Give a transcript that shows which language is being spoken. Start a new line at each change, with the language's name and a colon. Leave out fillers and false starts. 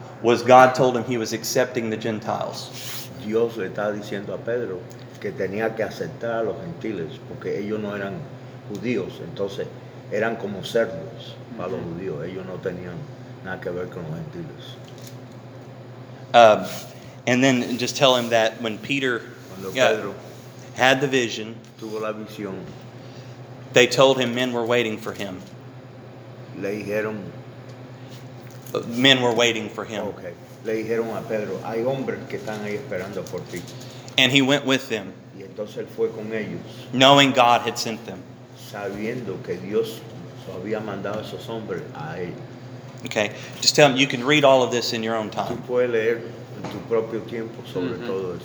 English: was God told him he was accepting the Gentiles.
Spanish: Dios le estaba diciendo a Pedro que tenía que aceptar a los gentiles porque ellos no eran judíos, entonces eran como cerdos para los judíos. Ellos no tenían nada que ver con los gentiles.
English: And then just tell him that when Peter
Spanish: Pedro
English: had the vision,
Spanish: tuvo la visión,
English: they told him men were waiting for him.
Spanish: Le dijeron,
English: men were waiting for him. Okay.
Spanish: Le dijeron a Pedro, hay hombres que están ahí esperando por ti.
English: And he went with them.
Spanish: Y entonces él fue con ellos.
English: Knowing God had sent them.
Spanish: Sabiendo que Dios había mandado esos hombres a él.
English: Okay. Just tell him you can read all of this in your own time.
Spanish: Tú puedes leer en tu propio tiempo sobre todo eso.